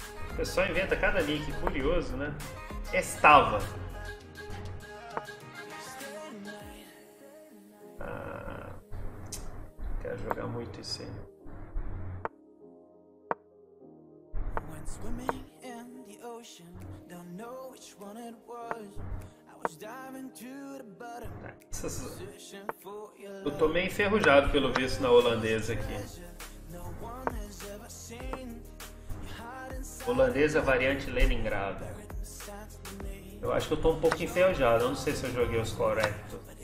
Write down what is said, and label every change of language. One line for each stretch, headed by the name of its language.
Portuguese: O pessoal inventa cada nick, curioso, né? Estava. Quero jogar muito isso aí.
English: Swimming in the ocean, don't know which one it was. I was diving to the bottom.
Portuguese: Eu tô meio enferrujado pelo visto na holandesa aqui. Holandesa variante Leningrado. Eu acho que eu tô um pouco enferrujado, eu não sei se eu joguei os corretos.